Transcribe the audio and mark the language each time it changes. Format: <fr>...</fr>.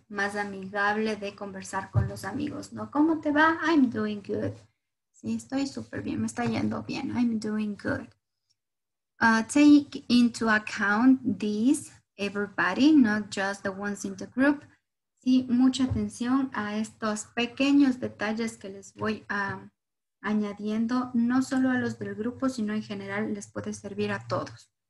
<es>más amigable de conversar con los amigos, ¿no? ¿Cómo te va?</es> <en>I'm doing good.</en> <es>Sí, estoy súper bien, me está yendo bien.</es> <en>I'm doing good. Take into account this, everybody, not just the ones in the group.</en> <es>Sí, mucha atención a estos pequeños detalles que les voy a añadiendo, no solo a los del grupo, sino en general les puede servir a todos.</es>